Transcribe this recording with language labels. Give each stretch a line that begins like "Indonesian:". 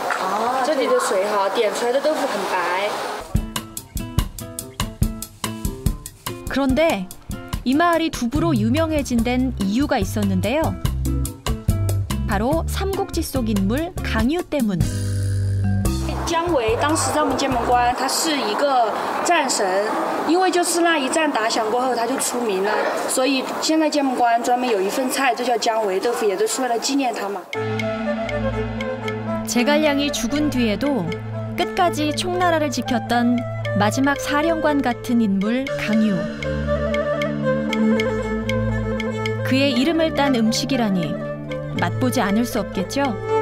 Chinese: 啊,这里的水好, 点出来的豆腐很白.
Korean: 그런데 이 마을이 두부로 유명해진 데는 이유가 있었는데요. 바로 삼국지 속 인물 강유 때문.
Chinese: 姜维 当时在我们剑门关，他是一个战神，因为就是那一战打响过后，他就出名了，所以现在剑门关专门有一份菜，就叫姜维豆腐，也就是为了纪念他嘛。
Korean: 제갈량이 죽은 뒤에도 끝까지 총나라를 지켰던 마지막 사령관 같은 인물 강유. 그의 이름을 딴 음식이라니 맛보지 않을 수 없겠죠?